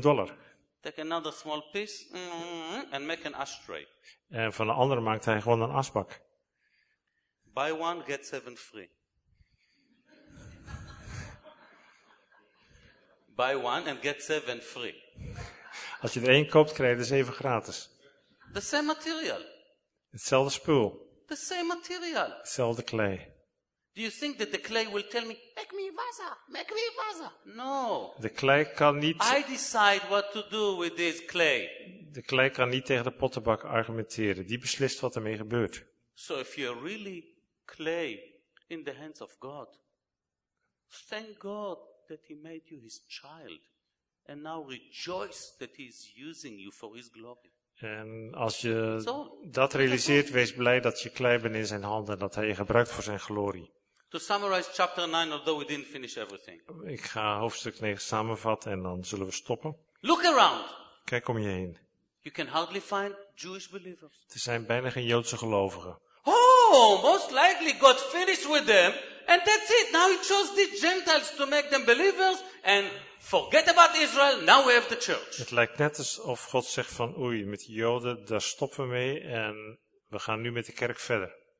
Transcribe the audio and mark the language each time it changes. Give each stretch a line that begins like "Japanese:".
English: Take another small piece and make an ashtray.
Dutch: En van de andere maakte hij gewoon een asbak.
English: Buy one, get seven free. Buy one and get seven free.
Dutch: Als je er één koopt, krijg je er 7 gratis.
English: The same material.
Dutch: Hetzelfde spul.
English: The same material.
Dutch: Hetzelfde klei.
English: Do you think that the clay will tell me, make me vaza, make me vaza? No.
Dutch: De klei kan niet.
English: I decide what to do with this clay.
Dutch: De klei kan niet tegen de pottenbak argumenteren. Die beslist wat ermee gebeurt.
English: So if you're really clay in the hands of God, thank God that he made you his child. And now rejoice that he is using you for his glory.
Dutch: En als je dat realiseert, wees blij dat je klei bent in zijn handen, dat hij je gebruikt voor zijn glorie.
English: To summarize chapter 9, although we didn't finish everything.
Dutch: Ik ga hoofdstuk 9 samenvatten en dan zullen we stoppen.
English: Look around.
Dutch: Kijk om je heen.
English: You can hardly find Jewish believers.
Dutch: Er zijn bijna geen Joodse gelovigen.
English: Oh, most likely God finished with them and that's it. Now he chose the Gentiles to make them believers and forget about Israel, now we have the church.
Dutch: Het lijkt net alsof God zegt van oei, met de Joden, daar stoppen we mee en we gaan nu met de kerk verder.